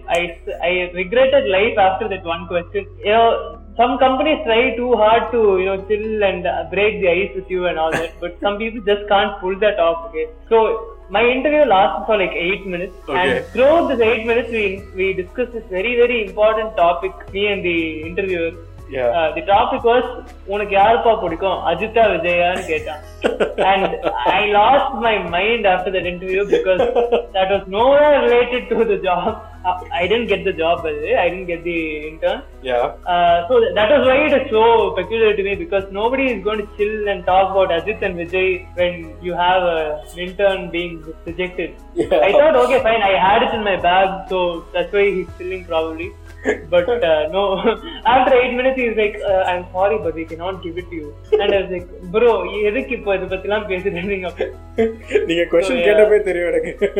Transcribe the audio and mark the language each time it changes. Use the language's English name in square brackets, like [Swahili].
[English] I regretted life after that one question. You know, some companies try too hard to, you know, chill and break the ice with you and all that, but some people just can't pull that off, okay? So, my interview lasted for like 8 minutes. Okay. And throughout this 8 minutes, we discussed this very, very important topic, me and the interviewer. Yeah. The topic was, [Tamil] உனக்கு யாருப்பா பிடிக்கும் அஜிதா விஜயான்னு கேட்டான். [English] And I lost my mind after that interview because that was nowhere related to the job. I didn't get the job, by the way. I didn't get the intern. Yeah. So that was why it is so peculiar to me, because nobody is going to chill and talk about Ajit and Vijay when you have an intern being rejected. Yeah. I thought, okay, fine, I had it in my bag, so that's why he's chilling probably. But no, after 8 minutes he's like, I'm sorry but we cannot give it to you. And I was like, bro, [Tamil] எதுக்கு இப்போ இதை பத்திலாம் பேசுறீங்க? நீங்க question கேட்டப்பே தெரியும் எனக்கு.